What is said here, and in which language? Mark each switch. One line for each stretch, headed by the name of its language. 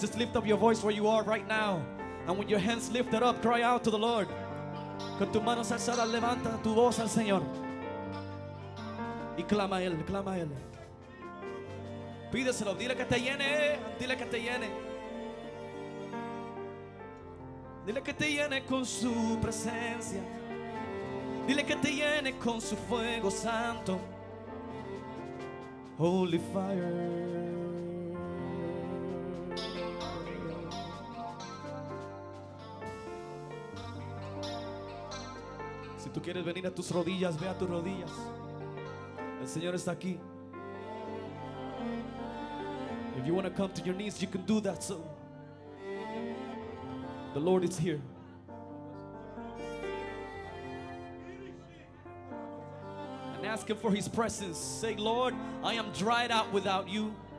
English: Just lift up your voice where you are right now. And with your hands lifted up, cry out to the Lord.
Spanish: Con tus manos alzadas, levanta tu voz al Señor. Y clama a Él, clama a Él. Pídeselo, dile que te llene. Dile que te llene. Dile que te llene con su presencia. Dile que te llene con su fuego santo.
English: Holy fire.
Spanish: Tú quieres venir a tus rodillas, ve a tus rodillas. El Señor está aquí.
English: If you want to come to your knees, you can do that soon. The Lord is here. And ask Him for His presence. Say, Lord, I am dried out without You.